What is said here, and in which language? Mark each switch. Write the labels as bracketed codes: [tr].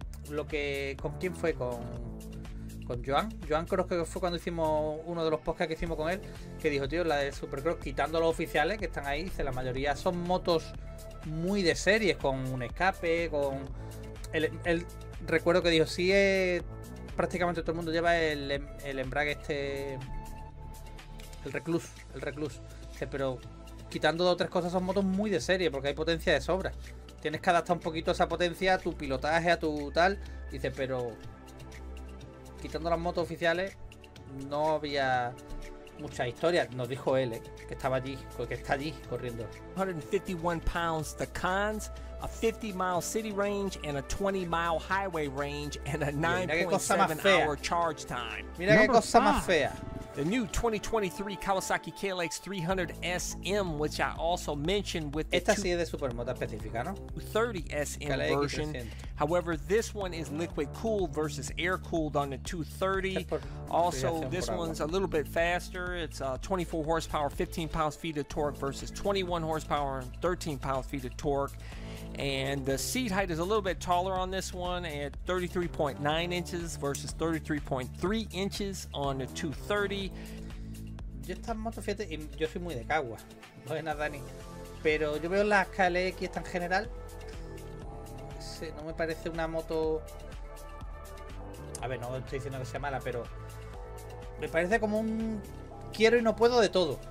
[es] Lo que con quién fue, con Joan, creo que fue cuando hicimos uno de los podcasts que hicimos con él, que dijo, tío, la de Supercross, quitando los oficiales que están ahí, dice, la mayoría son motos muy de series, con un escape, con el recuerdo que dijo, sí, es prácticamente todo el mundo lleva el embrague este, el recluse, pero quitando dos o tres cosas, son motos muy de serie porque hay potencia de sobra. Tienes que adaptar un poquito esa potencia a tu pilotaje, a tu tal. Dice, pero quitando las motos oficiales, no había mucha historia. Nos dijo él, que estaba allí, que está allí corriendo. [en] 151 pounds, the cons, a 50 mile city range and a 20 mile highway range and a 9.7 hour charge time. [es] Mira qué cosa más fea. [en] The new 2023 Kawasaki KLX 300 SM, which I also mentioned with the 230 SM version. However, this one is liquid cooled versus air cooled on the 230. Also, this one's a little bit faster. It's 24 horsepower, 15 pounds feet of torque versus 21 horsepower and 13 pounds feet of torque. And the seat height is a little bit taller on this one at 33.9 inches versus 33.3 inches on the 230. [es] Yo estas motos, fíjate, yo soy muy de cagua. Buenas, Dani. Pero yo veo las KLX tan general. Sí, no me parece una moto. A ver, no estoy diciendo que sea mala, pero me parece como un quiero y no puedo de todo.